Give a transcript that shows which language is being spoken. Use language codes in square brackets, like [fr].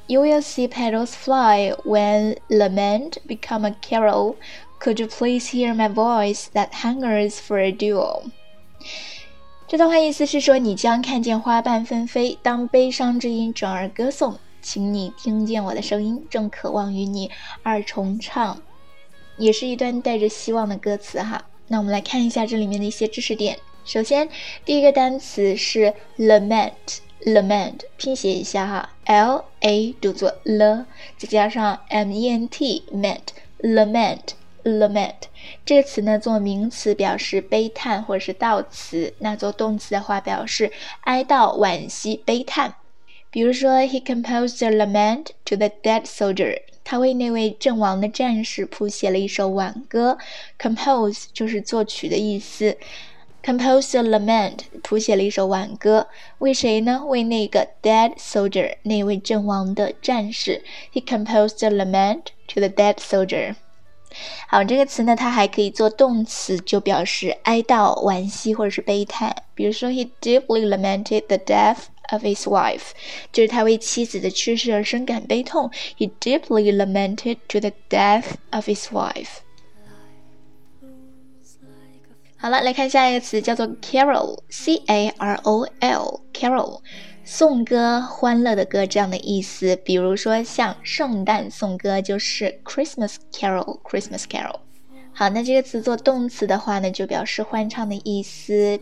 [en] You will see petals fly when lament become a carol. Could you please hear my voice that hungers for a duel? [zh] 这段话意思是说，你将看见花瓣纷飞，当悲伤之音转而歌颂，请你听见我的声音，正渴望与你二重唱，也是一段带着希望的歌词哈。那我们来看一下这里面的一些知识点。首先，第一个单词是 lament， 拼写一下哈 ，l a 读作 l， 再加上 m e n t ment，lament。 Lament 这个词呢，做名词表示悲叹或者是悼词，那做动词的话表示哀悼、惋惜、悲叹。比如说 [en] He composed a lament to the dead soldier， [zh] 他为那位阵亡的战士谱写了一首挽歌。 Compose 就是作曲的意思， [en] Composed a lament [zh] 谱写了一首挽歌，为谁呢？为那个 [en] dead soldier， [zh] 那位阵亡的战士。 [en] He composed a lament to the dead soldier。 [zh] 好，这个词呢，它还可以做动词，就表示哀悼、惋惜或者是悲叹。比如说 ， [en] He deeply lamented the death of his wife， [zh] 就是他为妻子的去世而深感悲痛。 [en] He deeply lamented to the death of his wife。 [zh] 好了，来看下一个词，叫做 carol，颂歌、欢乐的歌这样的意思。比如说像圣诞颂歌就是 Christmas Carol。好，那这个词做动词的话呢，就表示欢唱的意思。